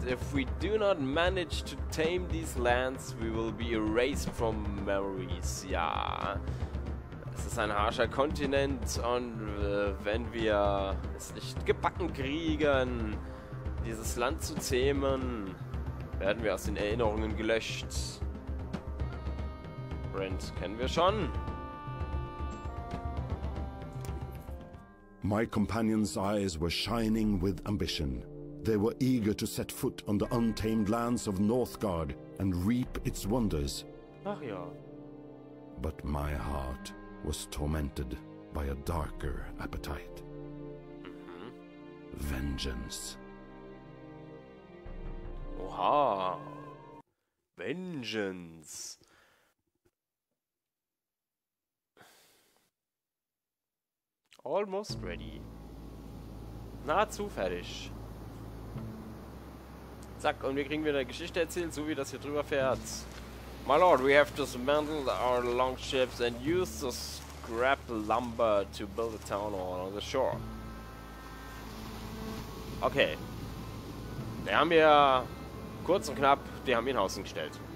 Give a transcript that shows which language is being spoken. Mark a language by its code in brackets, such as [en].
[en] If we do not manage to tame these lands, we will be erased from memories. [de] Ja, es ist ein harscher Kontinent und wenn wir es nicht gebacken kriegen, dieses Land zu zähmen, werden wir aus den Erinnerungen gelöscht. Brent kennen wir schon. [en] My companion's eyes were shining with ambition. They were eager to set foot on the untamed lands of Northgard and reap its wonders. [de] Ach ja. [en] But my heart was tormented by a darker appetite. Vengeance. [de] Oha. Vengeance. [en] Almost ready. [de] Nahezu fertig. Zack, und wir kriegen wieder eine Geschichte erzählt, so wie das hier drüber fährt. [en] My lord, we have dismantled our longships and used the scrap lumber to build a town hall on the shore. Okay. [de] Wir haben hier kurz und knapp, die haben ihn außen gestellt.